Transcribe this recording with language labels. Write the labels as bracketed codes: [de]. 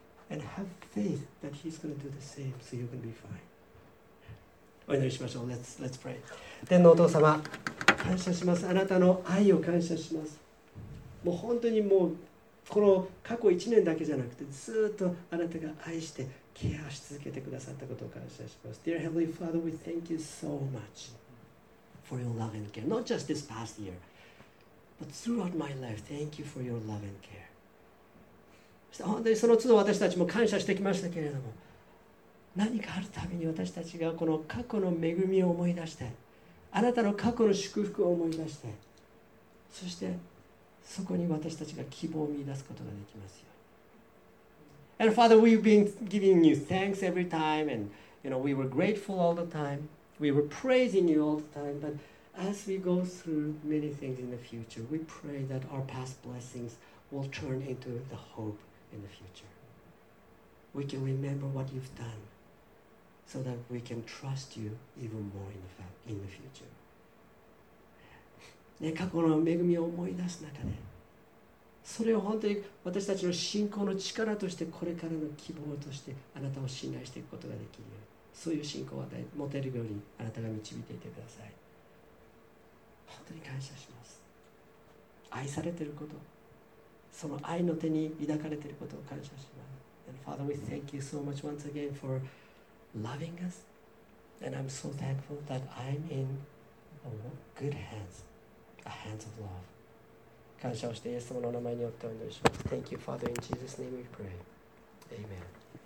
[en] And have faith that He's going to do the same, so you're going to be fine. [ja] お祈りしましょう。 [en] Let's pray. [ja] 天のお父様、感謝します。あなたの愛を感謝します。もう本当にもうこの過去1年だけじゃなくて、ずっとあなたが愛してケアし続けてくださったことを感謝します。 [en] Dear Heavenly Father, we thank You so much. For your love and care, not just this past year, but throughout my life, thank you for your love and care. [ja] 本当にその都度私たちも感謝してきましたけれども、何かあるたびに私たちがこの過去の恵みを思い出して、あなたの過去の祝福を思い出して、そしてそこに私たちが希望を見出すことができますよ。 [en] And Father, we've been giving you thanks every time, and you know, we were grateful all the time. We were praising you all the time, but as we go through many things in the future, we pray that our past blessings will turn into the hope in the future. We can remember what you've done so that we can trust you even more in the future. [ja] ね、過去の恵みを思い出す中で、それを本当に私たちの信仰の力として、これからの希望としてあなたを信頼していくことができるように、そういう信仰を持てるようにあなたが導いていてください。本当に感謝します。愛されていること、その愛の手に抱かれていることを感謝します。 [en] And Father, we thank you so much once again for loving us, and I'm so thankful that I'm in a good hands, a hands of love. [ja] 感謝をしてイエス様の名前によってお祈りします。 [en] Thank you Father, in Jesus' name we pray. Amen.